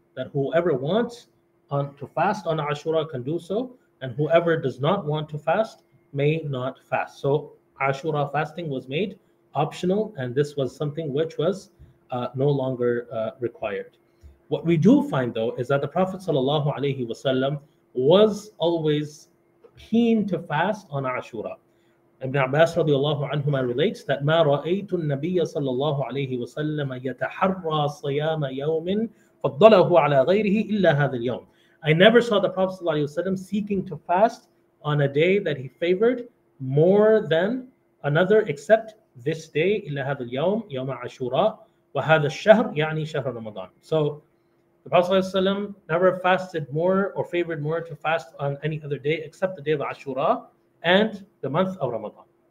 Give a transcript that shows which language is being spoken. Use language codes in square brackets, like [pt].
[en] That whoever wants to fast on Ashura can do so, and whoever does not want to fast may not fast. So Ashura fasting was made optional, and this was something which was no longer required. What we do find, though, is that the Prophet ﷺ was always keen to fast on Ashura. Ibn Abbas radiallahu anhuma relates that [ar] مَا رَأَيْتُ النَّبِيَّ صَلَّى اللَّهُ عَلَيْهِ وَسَلَّمَ يَتَحَرَّى صَيَامَ يَوْمٍ فَضَّلَهُ عَلَىٰ غَيْرِهِ إِلَّا هَذَا الْيَوْمِ. [en] I never saw the Prophet ﷺ seeking to fast on a day that he favored more than another except this day, [ar] إِلَّا هَذَا الْيَوْمِ يَوْمَ عَشُورَى وَهَذَا الشَّهْرِ يَعْنِي شَهْرَ رَمَضَانِ. [en] So the Prophet ﷺ never fasted more or favored more to fast on any other day except the day of Ashura and the month of Ramadan.